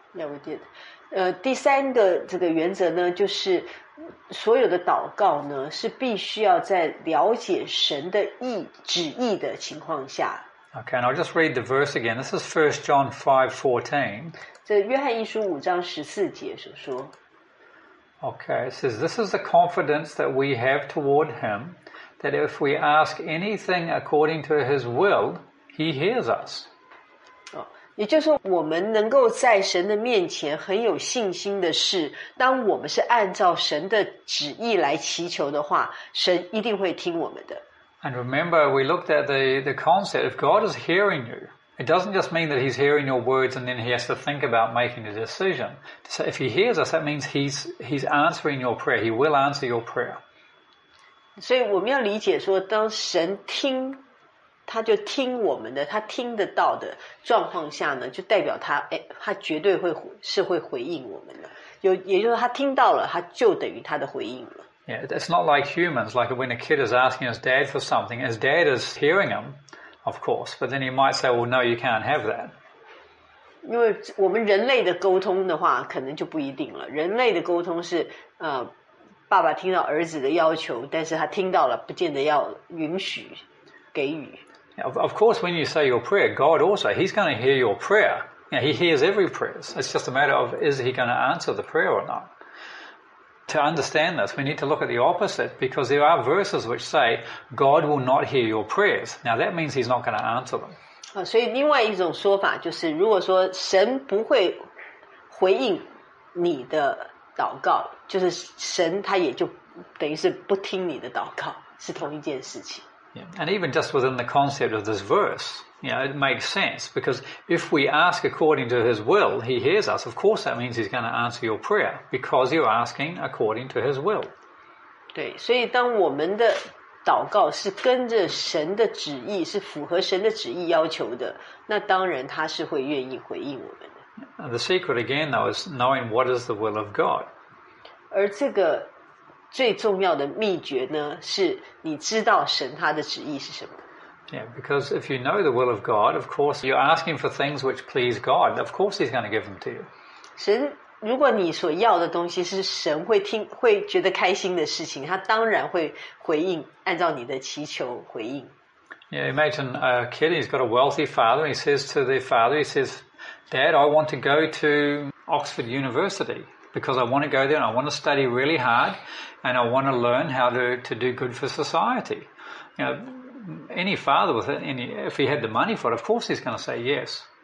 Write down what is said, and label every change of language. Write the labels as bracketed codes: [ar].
[en] Yeah, we did. [zh] 第三个这个原则呢，就是所有的祷告呢，是必须要在了解神的意旨意的情况下。 [en] Okay, and I'll just read the verse again. This is 1 John 5:14. [zh] 这约翰一书五章十四节所说。 [en] Okay, it says, "This is the confidence that we have toward Him, that if we ask anything according to His will, He hears us." [zh] 哦，也就是我们能够在神的面前很有信心的是，当我们是按照神的旨意来祈求的话，神一定会听我们的。 [en] And remember, we looked at the concept, if God is hearing you, it doesn't just mean that he's hearing your words and then he has to think about making a decision. So if he hears us, that means he's answering your prayer. He will answer your prayer. [zh] 所以我们要理解说，当神听他就听我们的，他听得到的状况下呢，就代表他，他绝对会是会回应我们的。也就是他听到了，他就等于他的回应了。 [en] Yeah, it's not like humans, like when a kid is asking his dad for something, his dad is hearing him, of course, but then he might say, well, no, you can't have that. [zh] 因为我们人类的沟通的话可能就不一定了，人类的沟通是爸爸听到儿子的要求，但是他听到了不见得要允许给予。 [en] Of course, when you say your prayer, God also, he's going to hear your prayer. Yeah, he hears every prayer. It's just a matter of, is he going to answer the prayer or not? To understand this, we need to look at the opposite, because there are verses which say, God will not hear your prayers. Now, that means he's not going to answer them. [zh] 所以另外一种说法就是，如果说神不会回应你的祷告，就是神他也就等于是不听你的祷告，是同一件事情。 [en] And even just within the concept of this verse, you know, it makes sense, because if we ask according to his will, he hears us. Of course, that means he's going to answer your prayer, because you're asking according to his will. [zh] 对，所以当我们的祷告是跟着神的旨意，是符合神的旨意要求的，那当然他是会愿意回应我们的。 [en] The secret again, though, is knowing what is the will of God. [zh] 而这个最重要的秘诀呢，是你知道神他的旨意是什么。 [en] Yeah, because if you know the will of God, of course you're asking for things which please God. Of course he's going to give them to you. [zh] 神，如果你所要的东西是神会听、会觉得开心的事情，他当然会回应，按照你的祈求回应。 [en] Yeah, imagine a kid, he's got a wealthy father, and he says to the father, he says, Dad, I want to go to Oxford University. Because I want to go there and I want to study really hard and I want to learn how to do good for society. You know, any father with any, if he had the money for it, of course he's going to say yes.